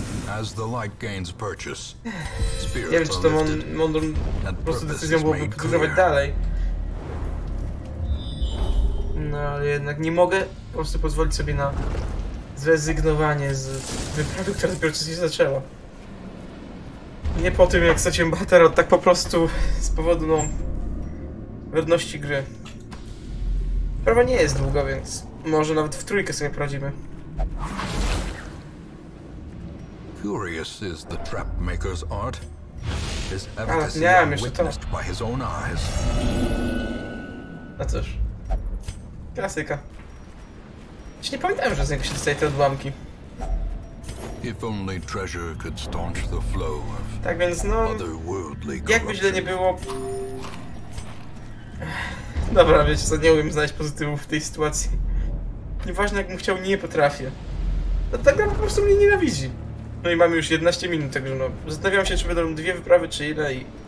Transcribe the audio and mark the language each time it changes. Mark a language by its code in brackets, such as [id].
[en] As the light gains purchase, [pl] spirits nie wiem, czy to mądrą po prostu decyzją było wykonywać dalej. No, ale jednak nie mogę po prostu pozwolić sobie na zrezygnowanie z wyprawy, która dopiero coś się zaczęła. Nie po tym, jak straciłem bohatera, tak po prostu z powodu, no, wierności gry. Prawa nie jest długa, więc może nawet w trójkę sobie poradzimy. [en] Curious is the trap maker's art. His efficacy witnessed by his own eyes. [pl] No cóż. Klasyka. Już nie pamiętam, że z niego się dostaje te odłamki. [en] If only treasure could staunch the flow of. [pl] Tak więc no. Jakby źle nie było. Dobra, wiecie co, nie umiem znaleźć pozytywów w tej sytuacji. Nieważne jak mu chciał, nie potrafię. No tak naprawdę po prostu mnie nienawidzi. No i mamy już 11 minut, także no, zastanawiam się, czy będą dwie wyprawy, czy ile i...